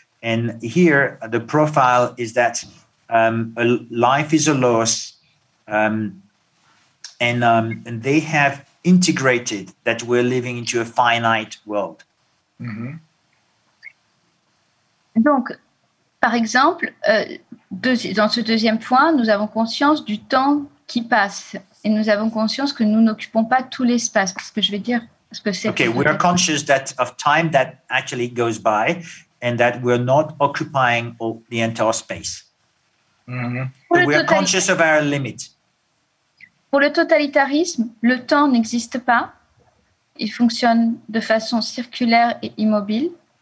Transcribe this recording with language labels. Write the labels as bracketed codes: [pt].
[en] And here, the profile is that life is a loss. And they have integrated that we're living into a finite world. Mm-hmm. [fr] Donc, par exemple, dans ce deuxième point, nous avons conscience du temps qui passe et nous avons conscience que nous n'occupons pas tout l'espace. Ce que je vais dire, ce que c'est. [en] Okay, we are conscious that of time that actually goes by and that we're not occupying all, the entire space. Mm-hmm. We are conscious of our limit. [fr] Pour le totalitarisme, le temps n'existe pas. Il fonctionne de façon circulaire et immobile.